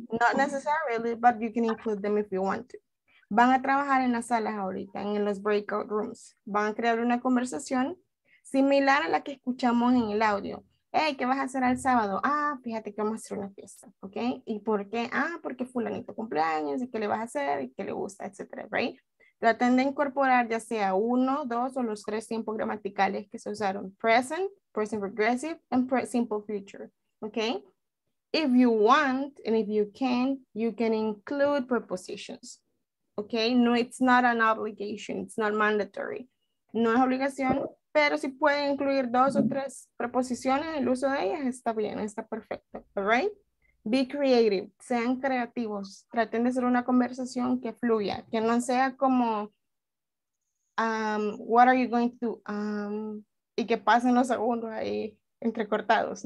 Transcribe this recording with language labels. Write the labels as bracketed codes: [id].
[en] Not necessarily, but you can include them if you want to. [es] Van a trabajar en las salas ahorita, en los breakout rooms. Van a crear una conversación similar a la que escuchamos en el audio. Hey, ¿qué vas a hacer el sábado? Ah, fíjate que vamos a hacer una fiesta, ¿ok? ¿Y por qué? Ah, porque fulanito cumpleaños, ¿y qué le vas a hacer? ¿Y qué le gusta? Etcétera, ¿right? Traten de incorporar ya sea uno, dos o los tres tiempos gramaticales que se usaron. [en] Present, present progressive, and simple future, ¿ok? If you want and if you can, you can include prepositions. Okay, no, it's not an obligation, it's not mandatory. [es] No es obligación, pero si pueden incluir dos o tres preposiciones, el uso de ellas está bien, está perfecto. [en] All right? Be creative, [es] sean creativos, traten de hacer una conversación que fluya, que no sea como, [en] what are you going to, [es] y que pasen los segundos ahí entrecortados.